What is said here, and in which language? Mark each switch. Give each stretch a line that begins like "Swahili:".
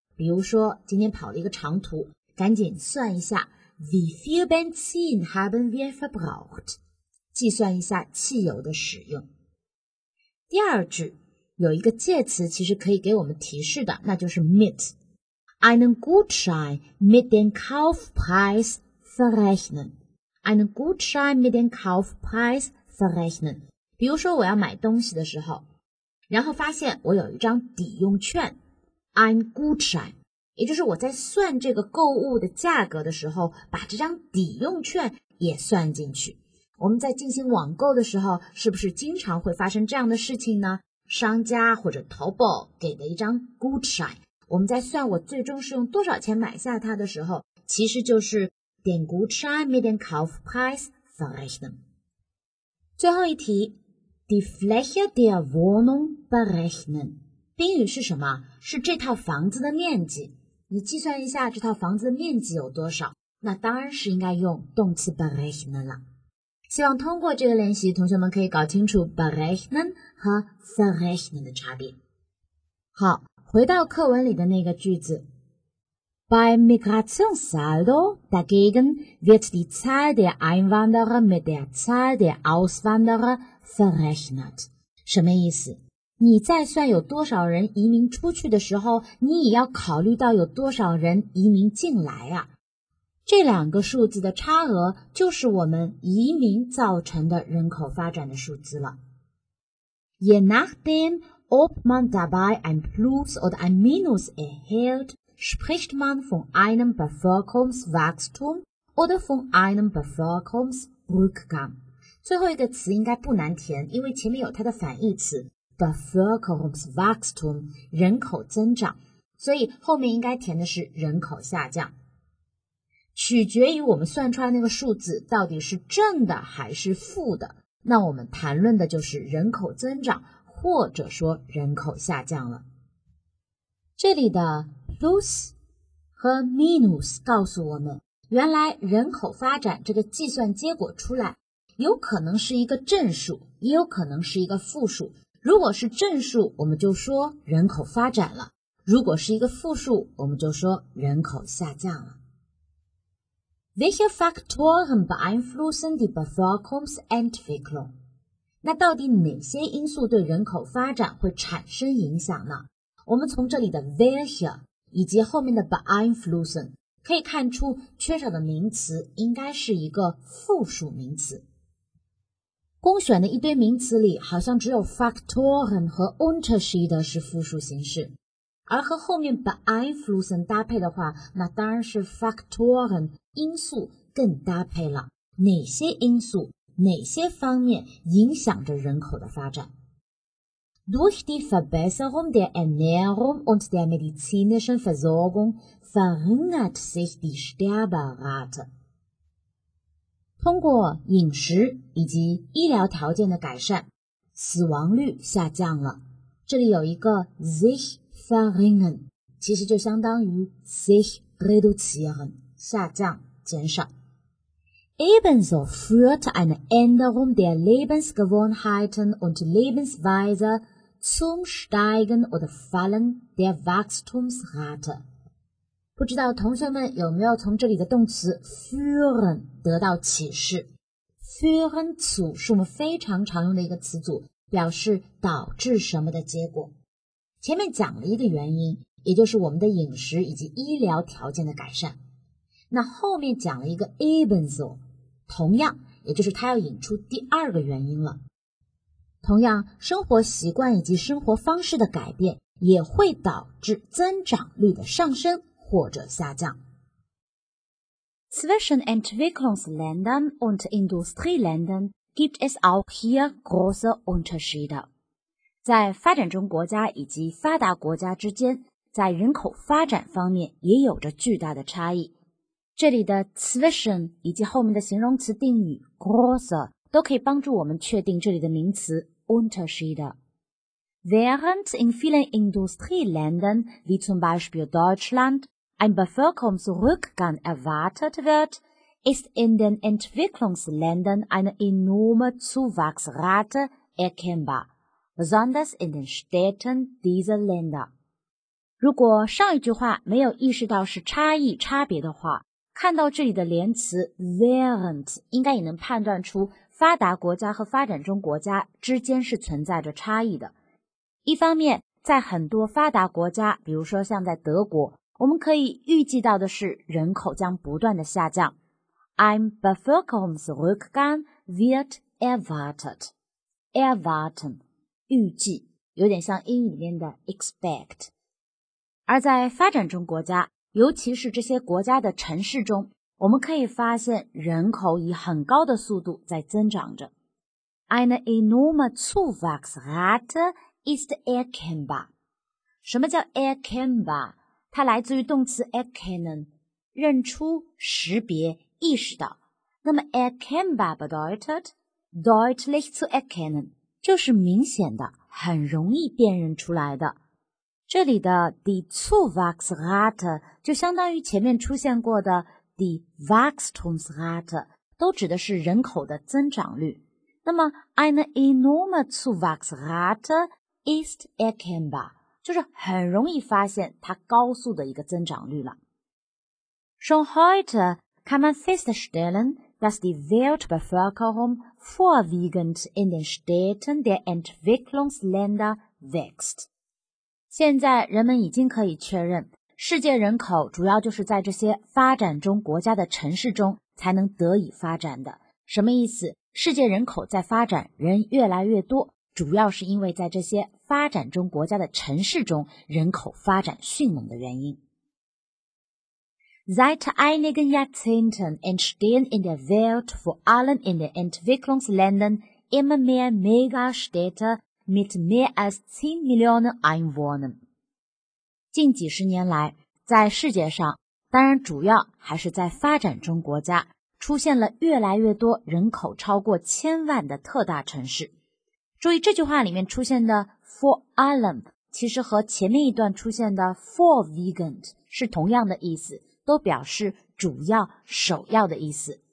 Chinese: 比如说今天跑了一个长途，赶紧算一下
German: wie viel Benzin haben wir verbraucht，
Chinese: 计算一下汽油的使用。第二句有一个介词其实可以给我们提示的，那就是 mit。
German: Einen Gutschein mit dem Kaufpreis verrechnen. Einen Gutschein mit dem Kaufpreis verrechnen.
Chinese: 比如说我要买东西的时候，然后发现我有一张抵用券。 Ein Gutschein， 也就是我在算这个购物的价格的时候，把这张抵用券也算进去。我们在进行网购的时候，是不是经常会发生这样的事情呢？商家或者淘宝给的一张 Gutschein。我们在算我最终是用多少钱买下它的时候，其实就是
German: den Gutschein mit dem Kaufpreis verrechnen。
Chinese: 最后一题，
German: die Fläche der Wohnung berechnen。
Chinese: 宾语是什么？是这套房子的面积。你计算一下这套房子的面积有多少，那当然是应该用动词 berechnen 了。希望通过这个练习，同学们可以搞清楚 berechnen 和 verrechnen 的差别。好，回到课文里的那个句子，
German: Bei Migrationssaldo dagegen wird die Zahl der Einwanderer mit der Zahl der Auswanderer verrechnet。
Chinese: 什么意思？你在算有多少人移民出去的时候，你也要考虑到有多少人移民进来啊。这两个数字的差额就是我们移民造成的人口发展的数字了。
German: Je nachdem, ob man dabei ein Plus oder ein Minus erhält, spricht man von einem Bevölkerungswachstum oder von einem Bevölkerungsrückgang。
Chinese: 最后一个词应该不难填，因为前面有它的反义词 Bevölkerungswachstum, 人口增长，所以后面应该填的是人口下降。取决于我们算出来那个数字到底是正的还是负的，那我们谈论的就是人口增长或者说人口下降了。这里的 plus 和 minus 告诉我们，原来人口发展这个计算结果出来有可能是一个正数，也有可能是一个负数。如果是正数，我们就说人口发展了，如果是一个负数，我们就说人口下降了。
German: Welche Faktoren beeinflussen die Bevölkerungsentwicklung?
Chinese: 那到底哪些因素对人口发展会产生影响呢？我们从这里的 welche 以及后面的 beeinflussen 可以看出，缺少的名词应该是一个复数名词。公选的一堆名词里，好像只有 Faktoren 和 Unterschiede 是复数形式。而和后面 beeinflussen 搭配的话，那当然是 Faktoren 因素更搭配了。哪些因素，哪些方面影响着人口的发展？
German: Durch die Verbesserung der Ernährung und der medizinischen Versorgung verringert sich die Sterberate。
Chinese: 通过饮食以及医疗条件的改善，死亡率下降了。这里有一个 sich verringern， 其实就相当于 sich reduzieren， 下降减少。
German: Ebenso führt eine Änderung der Lebensgewohnheiten und Lebensweise zum Steigen oder Fallen der Wachstumsrate。
Chinese: 不知道同学们有没有从这里的动词 führen 得到启示。 führen zu 是我们非常常用的一个词组，表示导致什么的结果。前面讲了一个原因，也就是我们的饮食以及医疗条件的改善。那后面讲了一个 ebenso， 同样，也就是他要引出第二个原因了。同样，生活习惯以及生活方式的改变也会导致增长率的上升或者下降。
German: Zwischen Entwicklungsländern und Industrieländern gibt es auch hier große Unterschiede。
Chinese: 在发展中国家以及发达国家之间，在人口发展方面也有着巨大的差异。这里的 zwischen 以及后面的形容词定语 große 都可以帮助我们确定这里的名词 Unterschiede。
German: Während in vielen Industrieländern wie zum Beispiel Deutschland ein Bevölkerungsrückgang erwartet wird, ist in den Entwicklungsländern eine enorme Zuwachsrate erkennbar。 Besonders in den Städten dieser Länder。
Chinese: 如果上一句话没有意识到是差异差别的话，看到这里的连词 während 应该也能判断出发达国家和发展中国家之间是存在着差异的。一方面，在很多发达国家，比如说像在德国，我们可以预计到的是人口将不断的下降。
German: Ein Bevölkerungsrückgang wird erwartet。
Chinese: Erwarten预计，有点像英语里面的 expect。而在发展中国家，尤其是这些国家的城市中，我们可以发现人口以很高的速度在增长着。
German: Eine enorme Zuwachsrate ist erkennbar.
Chinese: 什么叫 erkennbar? 它来自于动词 erkennen, 认出、识别、意识到。那么
German: erkennbar bedeutet, deutlich zu erkennen,
Chinese: 就是明显的、很容易辨认出来的。这里的 die Zuwachsrate 就相当于前面出现过的 die Wachstumsrate, 都指的是人口的增长率。那么
German: eine enorme Zuwachsrate ist erkennbar,
Chinese: 就是很容易发现它高速的一个增长率了。
German: Schon heute kann man feststellen, dass die Weltbevölkerung vorwiegend in den Städten der Entwicklungsländer wächst.
Chinese: 现在人们已经可以确认，世界人口主要就是在这些发展中国家的城市中才能得以发展的。什么意思？世界人口在发展，人越来越多，主要是因为在这些发展中国家的城市中人口发展迅猛的原因。
German: Seit einigen Jahrzehnten entstehen in der Welt vor allem in den Entwicklungsländern immer mehr Megastädte,mit mehr als 10 Millionen Einwohnern.
Chinese: 近几十年来，在世界上，当然主要还是在发展中国家，出现了越来越多人口超过千万的特大城市。注意这句话里面出现的 for allem, 其实和前面一段出现的 for vegant 是同样的意思，都表示主要、首要的意思。